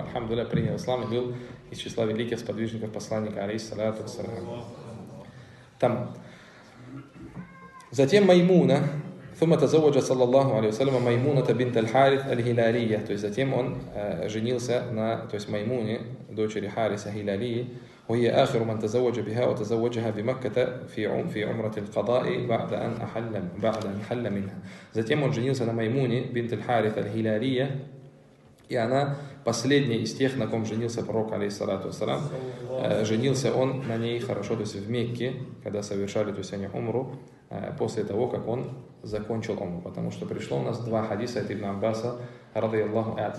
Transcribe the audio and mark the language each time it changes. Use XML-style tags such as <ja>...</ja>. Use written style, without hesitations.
<ru>Альхамдуля, принял ислам и был из числа великих сподвижников посланника, алейхиссалату вассалям. Там. Затем Маймуна,</ru> <ar>ثُمَّ تَزَوَّجَ صَلَّى اللَّهُ عَلَيْهِ وَسَلَّمَ مَيْمُونَةَ بِنْتَ الْحَارِثَ الْهِلَالِيَّةِ.</ar> <ru>То есть, затем он женился на, то есть, Маймуне, дочери Хариса Хилалии.</ru> <ar>وهي آخر من تزوج بها وتزوجها بمكة في عمرة القضاء بعد أن أحل بعد أن حل منها.</ar> <ru>Затем он женился на Маймуне бинт аль-Харис аль-Хилалия, и она последняя из тех, на ком женился пророк алейхиссалату вассалам. Женился он на ней хорошо, то есть в Мекке, когда совершали, то есть они умру, после того, как он закончил умру, потому что пришло у нас два хадиса от Ибн Аббаса رضي الله عنه.</ru>